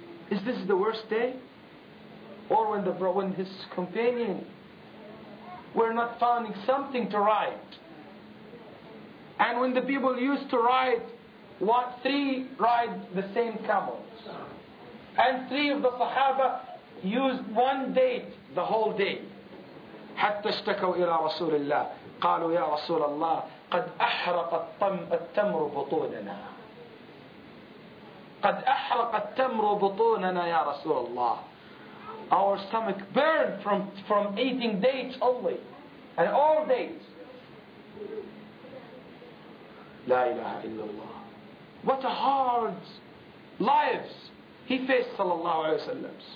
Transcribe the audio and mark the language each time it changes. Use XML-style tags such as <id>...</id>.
<en>Is this the worst day? Or when his companion were not finding something to write? And when the people used to ride, what, three ride the same camels. And three of the Sahaba used one date the whole day.</en> <ar>حتى اشتكوا إلى رسول الله قالوا يا رسول الله قد أحرق التمر بطوننا قد أحرق التمر بطوننا يا رسول الله.</ar> <en>Our stomach burned from eating dates only, and all dates.</en> <ar>لا إله إلا الله.</ar> <en>What a hard lives he faced, sallallahu alaihi wasallam.</en>